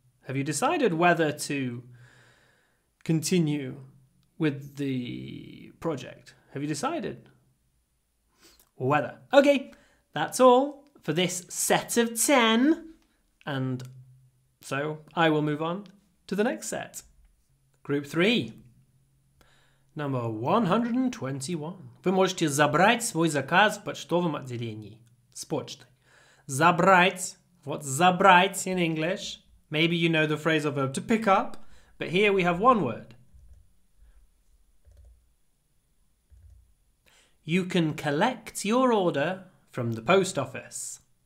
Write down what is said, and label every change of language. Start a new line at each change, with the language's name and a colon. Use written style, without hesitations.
English: Have you decided whether to continue with the project? Have you decided? Whether. Okay, that's all for this set of 10. And so I will move on to the next set. Group 3.
Russian: Number 121. Вы можете забрать свой заказ в почтовом отделении. С почтой. Забрать.
English: What's забрать in English? Maybe you know the phrasal verb to pick up. But here we have one word. You can collect your order from the post office.